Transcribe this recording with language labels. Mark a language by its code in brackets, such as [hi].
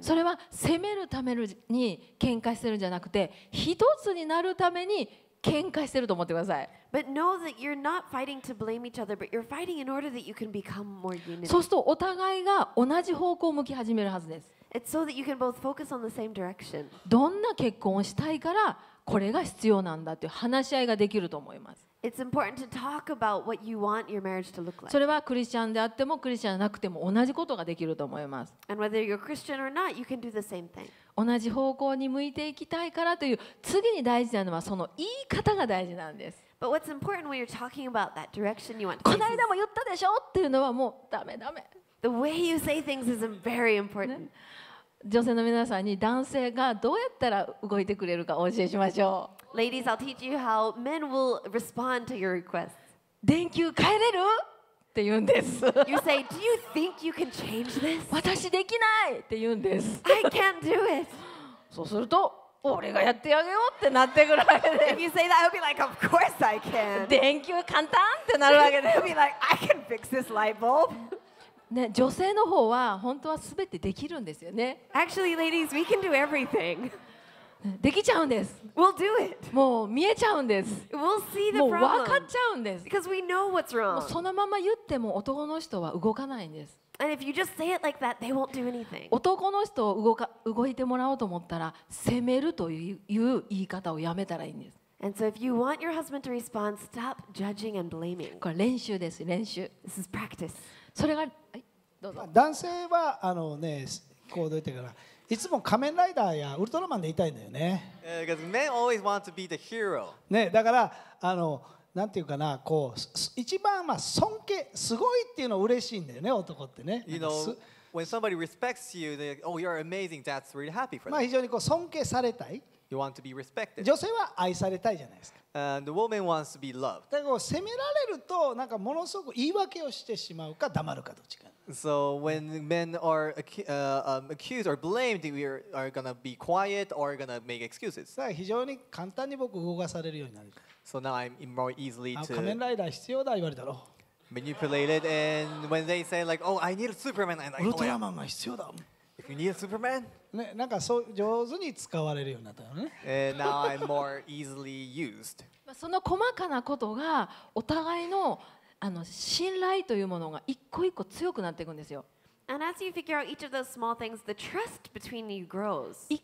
[ja] それは責めるために喧嘩してるんじゃなくて、一つになるために喧嘩してると思ってください。 [en] But know that you're not fighting to blame each other, but you're fighting in order that you can become more unity. [ja] そうするとお互いが同じ方向を向き始めるはずです。 [en] It's so that you can both focus on the same direction. [ja] どんな結婚をしたいからこれが必要なんだという話し合いができると思います。 [en] It's important to talk about what you want your marriage to look like. [ja] それはクリスチャンであってもクリスチャンじゃなくても同じことができると思います。 [en] And whether you're Christian or not, you can do the same thing. [ja] 同じ方向に向いていきたいからという次に大事なのはその言い方が大事なんです。 [en] But what's important when you're talking about that direction you want to take? [ja] この間も言ったでしょっていうのはもうダメダメ。 [en] The way you say things is very important.、 [ja] ね、女性の皆さんに男性がどうやったら動いてくれるかお教えしましょう。 [en] Ladies, I'll teach you how men will respond to your requests. [ja] 電球変えれる？って言うんです。 [en] You say, do you think you can change this? [ja] 私できない！って言うんです。 [en] I can't do it. [ja] そうすると、俺がやってあげようってなってくるわけで。 [en] If you say that, I'll be like, of course I can. [ja] 電球簡単？ってなるわけで。 [en] I'll be like, I can fix this light bulb. [ja] ね、女性の方は本当は全てできるんですよね。 [en] Actually, ladies, we can do everything. [ja] できちゃうんです。 [en] We'll do it. [ja] もう見えちゃうんです。 [en] We'll see the problem. [ja] もう分かっちゃうんです。 [en] Because we know what's wrong. [ja] もうそのまま言っても男の人は動かないんです。 [en] And if you just say it like that, they won't do anything. [ja] 男の人を動いてもらおうと思ったら、責めるという言い方をやめたらいいんです。 [en] And so if you want your husband to respond, stop judging and blaming. [ja] これ練習です、練習。 [en] This is practice. [ja] それが、はい、どうぞ。男性は、あのね、こうどういったかな。いつも仮面ライダーやウルトラマンでいたいんだよね。 [en] Because men always want to be the hero. [ja] ね、だから、あの、なんていうかな、こう、一番まあ尊敬、すごいっていうの嬉しいんだよね、男ってね。 [en] You know, when somebody respects you, they, oh, you're amazing, that's really happy for them. [ja] まあ非常にこう尊敬されたい。 [en] You want to be respected. [ja] 女性は愛されたいじゃないですか。 [en] And the woman wants to be loved. [ja] だからこう、責められると、なんかものすごく言い訳をしてしまうか、黙るかどっちか。 [en] So when men are accused or blamed, we are gonna be quiet or gonna make excuses. [ja] さあ非常に簡単に僕動かされるようになる。 [en] So now I'm more easily to. [ja] 仮面ライダー必要だ言われたろ。 [en] Manipulated and when they say like, oh, I need a Superman. [ja] ウルトラマンが必要だ。 [en] If you need a Superman. [ja] ね、なんかそう上手に使われるようになったよね。 [en] And now I'm more easily used. [ja] その細かなことがお互いの。あの信頼というものが一個一個強くなっていくんですよ。 [en] And as you figure out each of those small things, the trust between you grows.